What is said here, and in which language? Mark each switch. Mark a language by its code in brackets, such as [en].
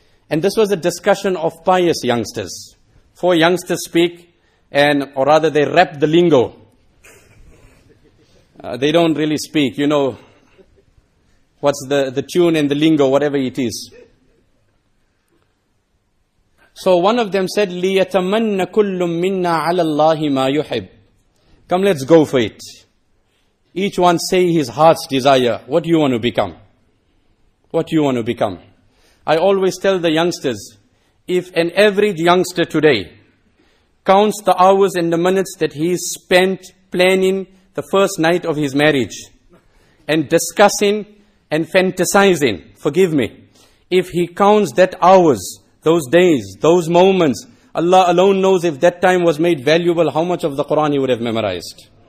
[en] And this was a discussion of pious youngsters. Four youngsters speak, or rather they rap the lingo. They don't really speak, you know, what's the tune and the lingo, whatever it is. So one of them said, [ar] لِيَتَمَنَّ كُلٌّ مِنَّا عَلَى اللَّهِ مَا يُحِبْ. [en] Come, let's go for it. Each one say his heart's desire. What do you want to become? What do you want to become? I always tell the youngsters, if an average youngster today counts the hours and the minutes that he spent planning the first night of his marriage and discussing and fantasizing, forgive me, if he counts that hours, those days, those moments, Allah alone knows if that time was made valuable, how much of the Quran he would have memorized.